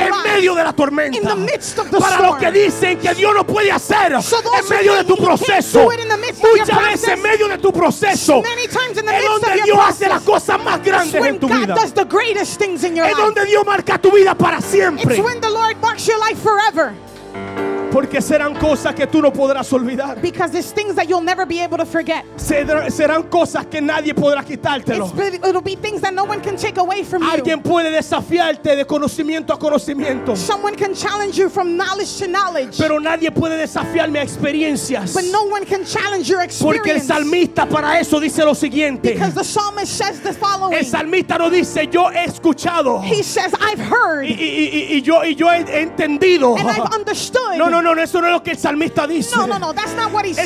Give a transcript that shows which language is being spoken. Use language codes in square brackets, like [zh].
[es] en medio de la tormenta [en] in the midst of the [es] para [en] storm. [es] Los que dicen que Dios no puede hacer [en] so [es] en medio de tu proceso muchas veces en medio de tu proceso es donde Dios [en] process, [es] hace las cosas más grandes en tu [en] God [es] vida [en] does the greatest things in your [es] es donde Dios marca tu vida para siempre [en] it's when the Lord marks your life forever. [es] Porque serán cosas que tú no podrás olvidar. [en] Because there's things that you'll never be able to forget. [es] Serán cosas que nadie podrá quitártelo. [en] It'll be things that no one can take away from [es] alguien [en] you. [es] Alguien puede desafiarte de conocimiento a conocimiento. [en] Someone can challenge you from knowledge to knowledge. [es] Pero nadie puede desafiarme a experiencias. [en] But no one can challenge your experience. [es] Porque el salmista para eso dice lo siguiente. [en] Because the psalmist says the following. [es] El salmista no dice yo he escuchado. [en] He says I've heard. [es] Y yo he entendido. [en] And I've understood. [es] No, eso no es lo que el salmista dice. [en] No, that's not what he says.